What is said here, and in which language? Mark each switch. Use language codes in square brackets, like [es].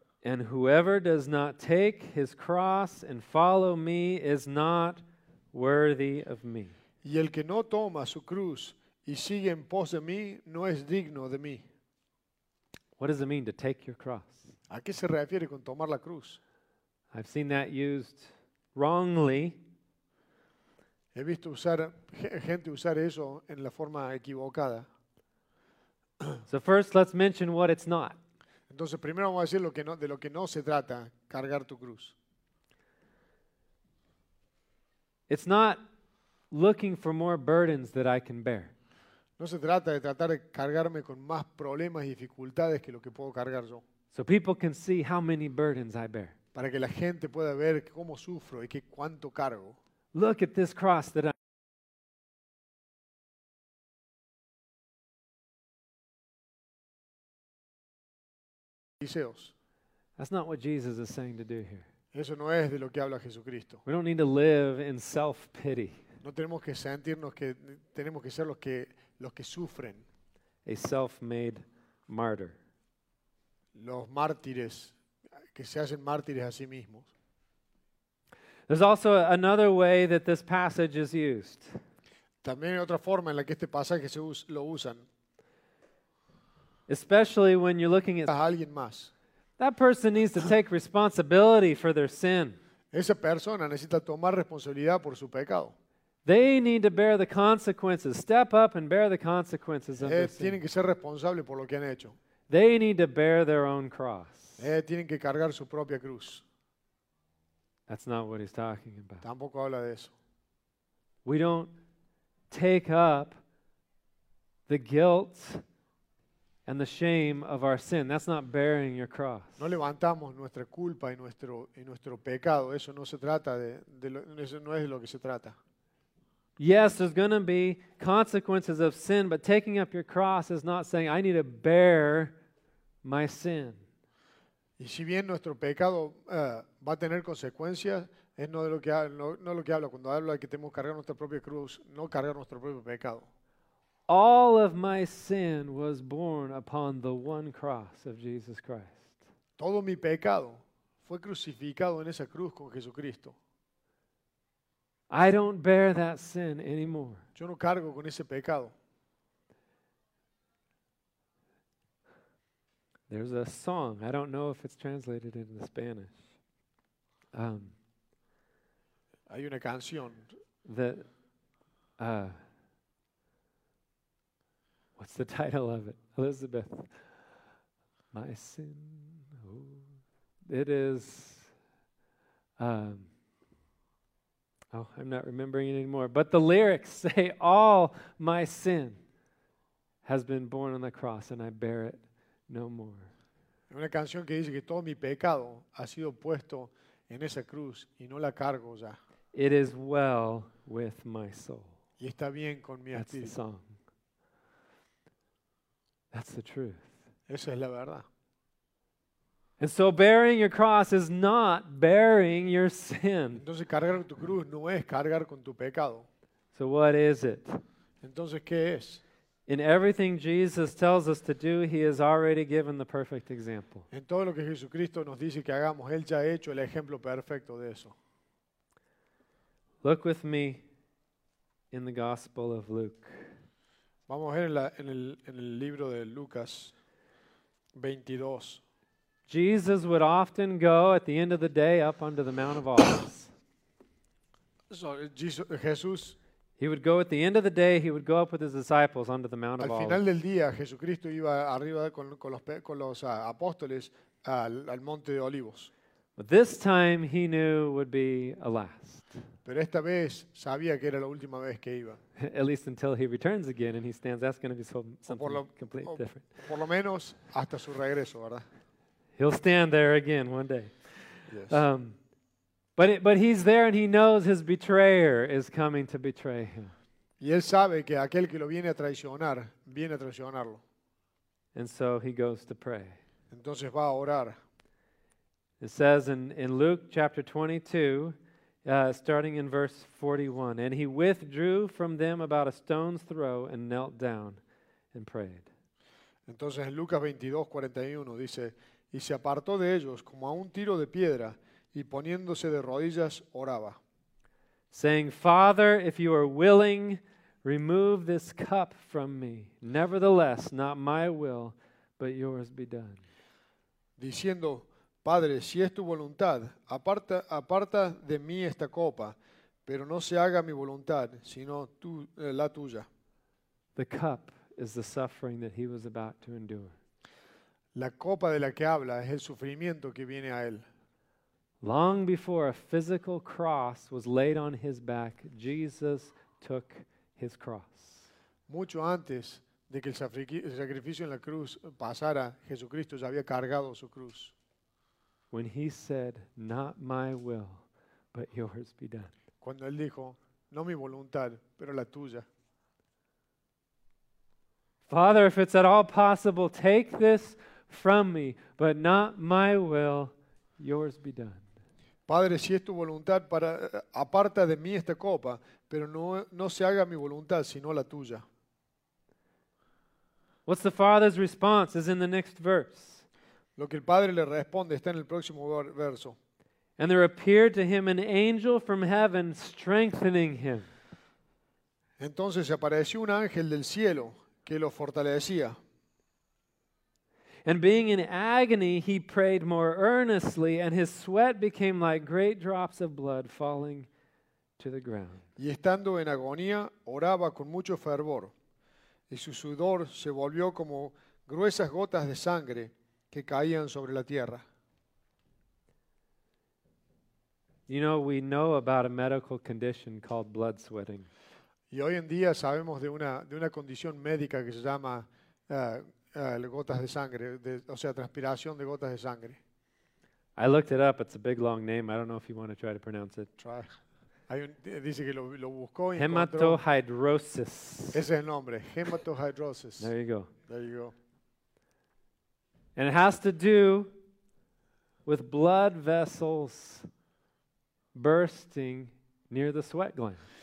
[en] And whoever does not take his cross and follow me is not worthy of me. [es] Y el que no toma su cruz y sigue en pos de mí no es digno de mí. [en] What does it mean to take your cross? [es] ¿A qué se refiere con tomar la cruz? [en] I've seen that used wrongly. [es] He visto usar gente usar eso en la forma equivocada. [en] So first, let's mention what it's not. [es] Entonces, primero vamos a decir de lo que no se trata, cargar tu cruz. [en] It's not looking for more burdens that I can bear. [es] No se trata de tratar de cargarme con más problemas y dificultades que lo que puedo cargar yo. [en] So people can see how many burdens I bear. [es] Para que la gente pueda ver cómo sufro y cuánto cargo. [en] Look at this cross that I'm That's not what Jesus is saying to do here. [es] Eso no es de lo que habla Jesucristo. [en] We don't need to live in self-pity. [es] No tenemos que sentirnos que tenemos que ser los que sufren. [en] A self-made martyr. [es] Los mártires que se hacen mártires a sí mismos. [en] There's also another way that this passage is used. [es] También hay otra forma en la que este pasaje lo usan. [en] Especially when you're looking at [es] a alguien más. [en] That person needs to take responsibility for their sin. [es] Esa persona necesita tomar responsabilidad por su pecado. [en] They need to bear the consequences. Step up and bear the consequences of their sin. [es] Tienen que ser responsables por lo que han hecho. [en] They need to bear their own cross. [es] Tienen que cargar su propia cruz. [en] That's not what he's talking about. [es] Tampoco habla de eso. [en] We don't take up the guilt and the shame of our sin. That's not bearing your cross. [es] No levantamos nuestra culpa y nuestro pecado. Eso no se trata eso no es lo que se trata. [en] Yes, there's going to be consequences of sin, but taking up your cross is not saying I need to bear my sin. [es] Y si bien nuestro pecado va a tener consecuencias, es no lo que habla cuando habla de que tenemos que cargar nuestra propia cruz, no cargar nuestro propio pecado. [en] All of my sin was born upon the one cross of Jesus Christ. [es] Todo mi pecado fue crucificado en esa cruz con Jesucristo. [en] I don't bear that sin anymore. [es] Yo no cargo con ese pecado. [en] There's a song. I don't know if it's translated into Spanish. [es] Hay una canción [en] that. What's the title of it? Elizabeth. My sin. Oh. It is. I'm not remembering it anymore. But the lyrics say, all my sin has been born on the cross and I bear it no more. [es] Una canción que dice que todo mi pecado ha sido puesto en esa cruz y no la cargo ya. [en] It is well with my soul. [es] Y está bien con mi espíritu. [en] That's the song. That's the truth. [es] Esa es la verdad. [en] And so bearing your cross is not bearing your sin. [es] Entonces cargar tu cruz no es cargar con tu pecado. [en] So what is it? [es] Entonces, ¿qué es? [en] In everything Jesus tells us to do, he has already given the perfect example. [es] En todo lo que Jesucristo nos dice que hagamos, él ya ha hecho el ejemplo perfecto de eso. [en] Look with me in the Gospel of Luke. [es] Vamos a ver en el libro de Lucas 22. [en] Jesus would often go at the end of the day up onto the Mount of Olives. [es] Jesús. [en] He would go at the end of the day. He would go up with his disciples onto the Mount of Olives. [es] Al final del día, Jesucristo iba arriba con los apóstoles al Monte de Olivos. [en] But this time he knew would be a last. [es] Pero esta vez sabía que era la última vez que iba. [en] At least until he returns again and he stands, that's going to be something completely different. [es] Por lo menos hasta su regreso, ¿verdad? [en] He'll stand there again one day. Yes. But he's there and he knows his betrayer is coming to betray him. [es] Y él sabe que aquel que lo viene a traicionarlo. [en] And so he goes to pray. [es] Entonces va a orar. [en] It says in Luke chapter 22, starting in verse 41, and he withdrew from them about a stone's throw and knelt down and prayed. [es] Entonces en Lucas 22:41 dice, y se apartó de ellos como a un tiro de piedra y poniéndose de rodillas oraba. [en] Saying, Father, if you are willing, Remove this cup from me. Nevertheless, not my will, but yours be done. [es] Diciendo, Padre, si es tu voluntad, aparta de mí esta copa, pero no se haga mi voluntad, sino tu, la tuya. [en] The cup is the suffering that he was about to endure. [es] La copa de la que habla es el sufrimiento que viene a él. [en] Long before a physical cross was laid on his back, Jesus took his cross. [es] Mucho antes de que el sacrificio en la cruz pasara, Jesucristo ya había cargado su cruz. [en] When he said, "Not my will, but yours be done." [es] Cuando él dijo, "No mi voluntad, pero la tuya." [en] Father, if it's at all possible, take this from me, but not my will, yours be done. [es] Padre, si es tu voluntad, para, aparta de mí esta copa, pero no, no se haga mi voluntad, sino la tuya. [en] What's the Father's response is in the next verse. [es] Lo que el Padre le responde está en el próximo verso. [en] And there appeared to him an angel from heaven strengthening him. [es] Entonces apareció un ángel del cielo que lo fortalecía. [en] And being in agony, he prayed more earnestly, and his sweat became like great drops of blood falling to the ground. [es] Y estando en agonía, oraba con mucho fervor, y su sudor se volvió como gruesas gotas de sangre que caían sobre la tierra. [en] You know, we know about a medical condition called blood sweating. [es] Y hoy en día sabemos de una condición médica que se llama gotas de sangre, transpiración de gotas de sangre. [en] I looked it up. It's a big, long name. I don't know if you want to try to pronounce it. Try. [es] Dice que lo buscó. Hematohidrosis. Ese es el nombre. Hematohidrosis. [en] There you go. There you go. And it has to do with blood vessels bursting near the sweat gland.